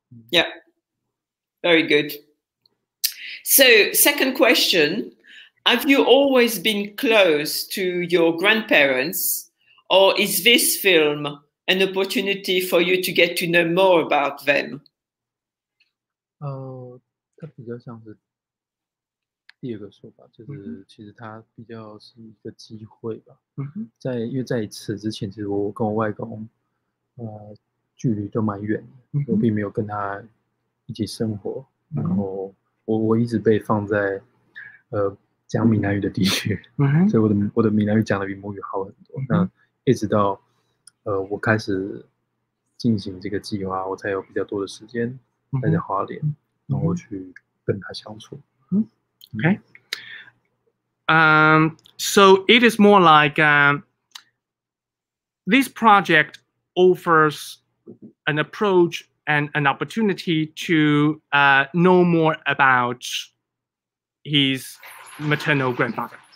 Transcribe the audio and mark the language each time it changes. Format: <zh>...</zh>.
<en>Yeah, very good. So, second question, have you always been close to your grandparents, or is this film an opportunity for you to get to know more about them?</en> <zh>它比较像是第二个说法，就是其实它比较是一个机会吧。嗯、在因为在此之前，其实我跟我外公，距离都蛮远的，我并没有跟他一起生活。嗯、然后我一直被放在讲闽南语的地区，嗯、所以我的闽南语讲的比母语好很多。那、嗯、一直到我开始进行这个计划，我才有比较多的时间。在花莲、嗯、然后去跟他相处。</zh> <en>Okay. So it is more like this project offers an approach and an opportunity to know more about his maternal grandfather.</en>